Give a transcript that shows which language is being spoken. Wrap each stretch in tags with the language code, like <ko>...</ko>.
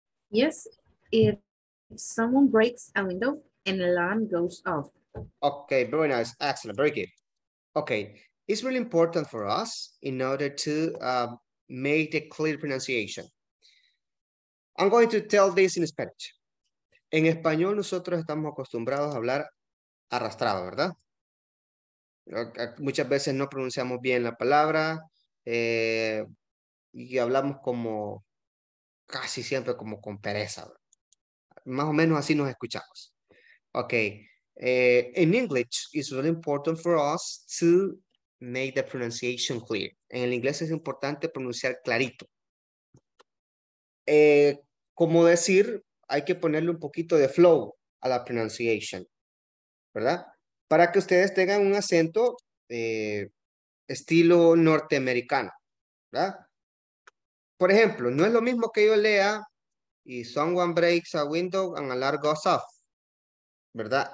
<en>Yes. If someone breaks a window, an alarm goes off. Okay. Very nice. Excellent. Very good. Okay. It's really important for us in order to make a clear pronunciation. I'm going to tell this in Spanish.</en> <es>En español, nosotros estamos acostumbrados a hablar arrastrado, ¿verdad? Muchas veces no pronunciamos bien la palabra y hablamos como casi siempre como con pereza, ¿verdad? Más o menos así nos escuchamos. Okay.</es> <en>In English, it's really important for us to make the pronunciation clear.</en> <es>En el inglés es importante pronunciar clarito. Como decir, hay que ponerle un poquito de flow a la pronunciation, ¿verdad? Para que ustedes tengan un acento estilo norteamericano, ¿verdad? Por ejemplo, no es lo mismo que yo lea y</es> <en>someone breaks a window and an alarm goes off,</en> <es>¿verdad?</es>